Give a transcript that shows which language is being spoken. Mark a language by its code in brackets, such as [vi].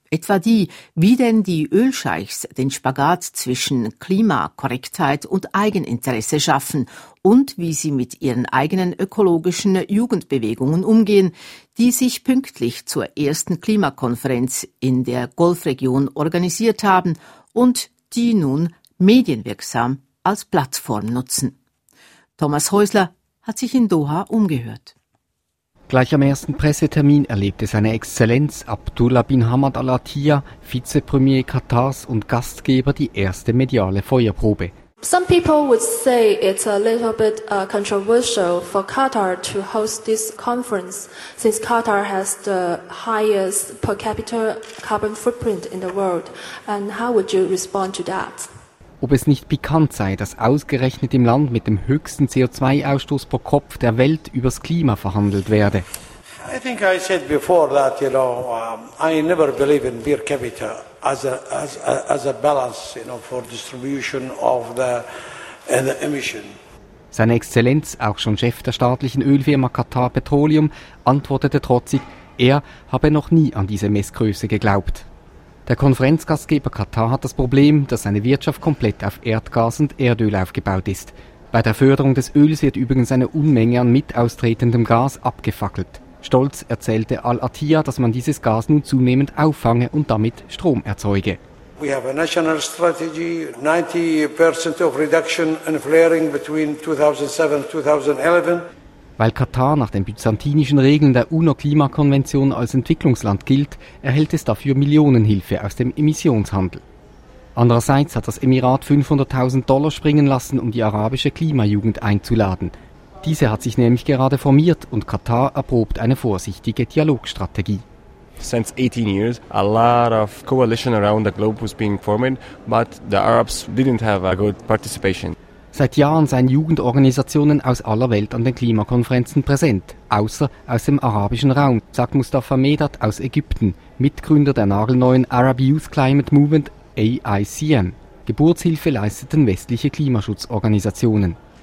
[de] Etwa die, wie denn die Ölscheichs den Spagat zwischen Klimakorrektheit und Eigeninteresse schaffen und wie sie mit ihren eigenen ökologischen Jugendbewegungen umgehen, die sich pünktlich zur ersten Klimakonferenz in der Golfregion organisiert haben und die nun medienwirksam als Plattform nutzen. Thomas Häusler hat sich in Doha umgehört. Gleich am ersten Pressetermin erlebte seine Exzellenz Abdullah bin Hamad Al-Attiyah, Vizepremier Katars und Gastgeber, die erste mediale Feuerprobe. [en] Some people would say it's a little bit controversial for Qatar to host this conference, since Qatar has the highest per capita carbon footprint in the world. And how would you respond to that? [de] Ob es nicht pikant sei, dass ausgerechnet im Land mit dem höchsten CO2-Ausstoß pro Kopf der Welt übers Klima verhandelt werde. [en] I think I said before that, you know, I never believe in per capita as a balance, you know, for distribution of the emission. [de] Seine Exzellenz, auch schon Chef der staatlichen Ölfirma Qatar Petroleum, antwortete trotzig, er habe noch nie an diese Messgröße geglaubt. Der Konferenzgastgeber Katar hat das Problem, dass seine Wirtschaft komplett auf Erdgas und Erdöl aufgebaut ist. Bei der Förderung des Öls wird übrigens eine Unmenge an mitaustretendem Gas abgefackelt. Stolz erzählte Al-Attiyah, dass man dieses Gas nun zunehmend auffange und damit Strom erzeuge. [en] We have a national strategy, 90% of reduction in flaring between 2007 and 2011. [de] Weil Katar nach den byzantinischen Regeln der UNO-Klimakonvention als Entwicklungsland gilt, erhält es dafür Millionenhilfe aus dem Emissionshandel. Andererseits hat das Emirat $500,000 springen lassen, um die arabische Klimajugend einzuladen. Diese hat sich nämlich gerade formiert und Katar erprobt eine vorsichtige Dialogstrategie. [en] Since 18 years, a lot of coalition around the globe was being formed, but the Arabs didn't have a good participation. [de] Seit Jahren seien Jugendorganisationen aus aller Welt an den Klimakonferenzen präsent, außer aus dem arabischen Raum, sagt Mustafa Medat aus Ägypten, Mitgründer der nagelneuen Arab Youth Climate Movement, AICM. Geburtshilfe leisteten westliche Klimaschutzorganisationen.